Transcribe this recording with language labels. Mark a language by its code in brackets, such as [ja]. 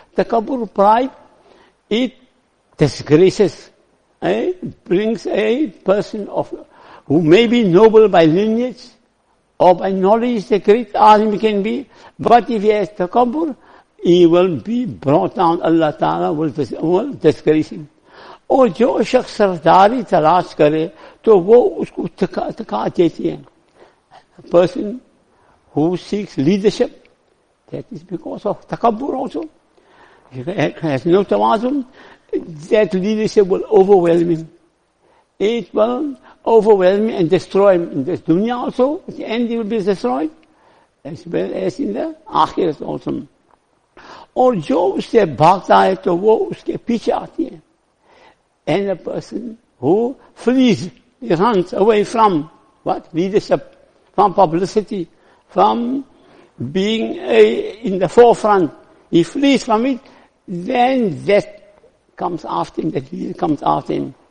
[en] Takabur, pride, it disgraces. It brings a person of who may be noble by lineage or by knowledge, the great alim can be, but if he has takabur, he will be brought down. Allah Ta'ala will disgrace him. [ur] اور جو شخص سرداری تلاش کرے تو وہ اس کو تکا دیتی ہے. [en] Person who seeks leadership, that is because of takabur also. He has no tawazu, that leadership will overwhelm him. It will overwhelm him and destroy him in this dunya also. At the end he will be destroyed, as well as in the akhirat also. [ur] اور جو اس سے بھاگتا ہے تو وہ اس کے پیچھے آتی ہے. [en] And a person who flees, he runs away from what? Leadership, from publicity, from being in the forefront. He flees from it, then that comes after him, that leader comes after him.